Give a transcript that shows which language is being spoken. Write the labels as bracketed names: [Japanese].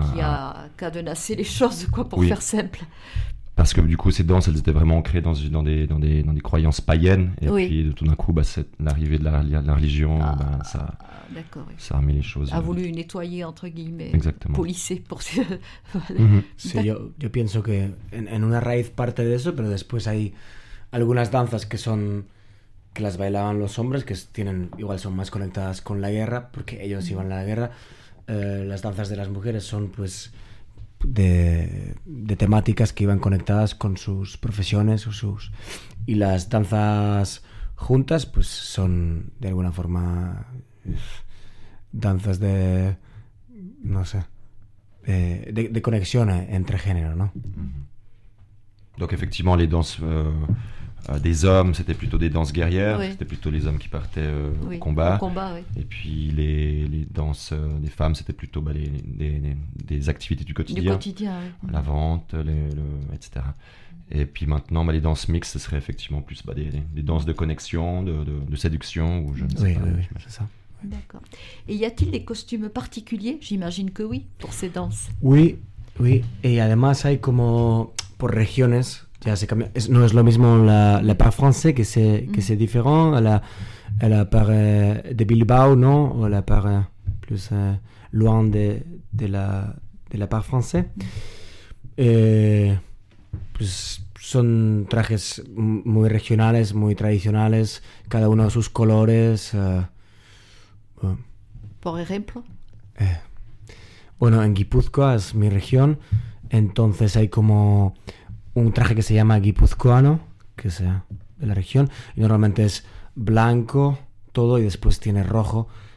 [French] qui a cadenassé les choses quoi pour faire simple. Parce que du coup ces danses elles étaient vraiment ancrées dans des croyances païennes et puis tout d'un coup l'arrivée de la religion ça a mis les choses a voulu nettoyer entre guillemets. Exactement. Polisser pour [Spanish] Sí, yo pienso que en una raíz parte de eso, pero después hay algunas danzas que las bailaban los hombres, que tienen igual son más conectadas con la guerra porque ellos iban a la guerra. Las danzas de las mujeres son pues de temáticas que iban conectadas con sus profesiones o sus, y las danzas juntas pues son de alguna forma danzas de no sé de conexión entre género, ¿no? [French] Donc effectivement les danses des hommes c'était plutôt des danses guerrières, c'était plutôt les hommes qui partaient au combat. Et puis les danses des femmes c'était plutôt des activités du quotidien la vente etc. Et puis maintenant les danses mixtes ce serait effectivement plus des danses de connexion de séduction ou je ne sais oui, pas oui, c'est ça. D'accord. Et y a-t-il des costumes particuliers? J'imagine que oui pour ces danses. Oui et [Spanish] además hay como por regiones. Ya se cambia. No es lo mismo la [French] part français que c'est différent. La part de Bilbao, ¿no? O la part plus loin de la part français. [Spanish] Pues son trajes muy regionales, muy tradicionales, cada uno de sus colores. Por ejemplo. Bueno, en Guipúzcoa es mi región, entonces hay como un traje que se llama guipuzcoano, que es de la región, y normalmente es blanco todo y después tiene rojo.